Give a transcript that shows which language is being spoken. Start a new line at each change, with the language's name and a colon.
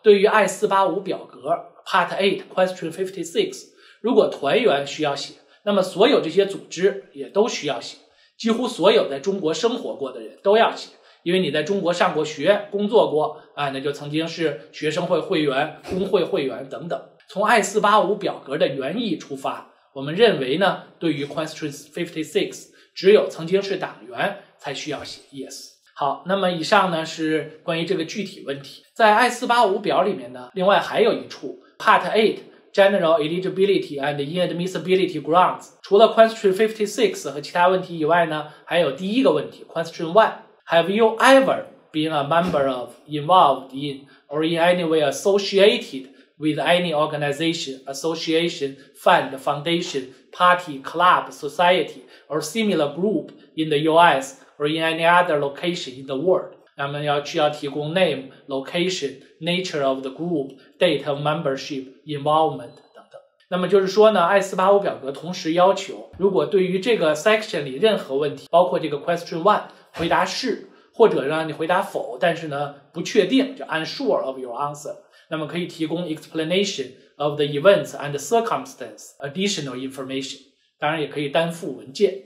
Chinese: 对于 I-485 表格 Part 8 Question 56，如果团员需要写，那么所有这些组织也都需要写，几乎所有在中国生活过的人都要写，因为你在中国上过学工作过啊，那就曾经是学生会会员、工会会员等等。从 I-485 表格的原意出发，我们认为呢，对于 Question 56只有曾经是党员才需要写 yes。好，那么以上呢是关于这个具体问题。在 I-485 表里面呢，另外还有一处
English: Part 8General Eligibility and Inadmissibility Grounds，
Chinese: 除了 Question 56和其他问题以外呢，还有第一个问题
English: Question 1， Have you ever been a member of, involved in, or in any way associated with any organization, association, fund, foundation, party, club, society, or similar group in the US or in any other location in the world？
Chinese: 那么需要提供
English: name, location, nature of the groupdate of membership, involvement
Chinese: 等等。那么就是说呢， I-485 表格同时要求，如果对于这个 section 里任何问题，包括这个 question 1回答是，或者让你回答否，但是呢不确定，就
English: unsure of your answer，
Chinese: 那么可以提供
English: explanation of the events and circumstance additional information，
Chinese: 当然也可以担附文件。